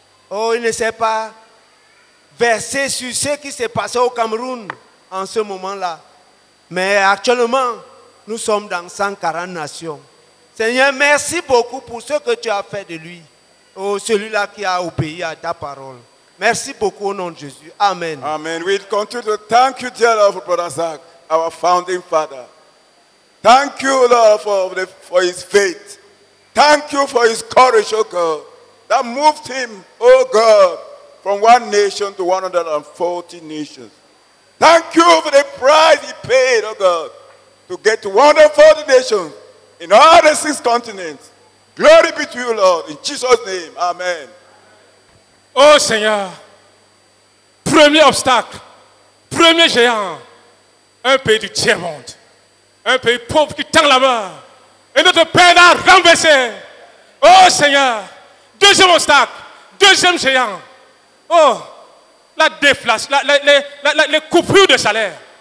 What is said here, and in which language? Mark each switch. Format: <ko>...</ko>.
<fr>Oh, il ne s'est pas versé sur ce qui s'est passé au Cameroun en ce moment-là. Mais actuellement, nous sommes dans 140 nations. Seigneur, merci beaucoup pour ce que tu as fait de lui. Oh, celui-là qui a obéi à ta parole. Merci beaucoup au nom de Jésus. Amen. Amen.</fr> <en>We continue to thank you, dear Lord, for Brother Zach, our founding father. Thank you, Lord, for his faith. Thank you for his courage, oh God, that moved him, oh God, from one nation to 140 nations. Thank you for the price he paid, oh God, to get to 140 nations in all the 6 continents. Glory be to you, Lord, in Jesus' name. Amen.</en> <fr>Oh Seigneur, premier obstacle, premier géant, un pays du tiers monde, un pays pauvre qui tend la main, et notre Père l'a renversé. Oh Seigneur, deuxième obstacle, deuxième géant, oh, la déflation, les coupures de salaire.</fr>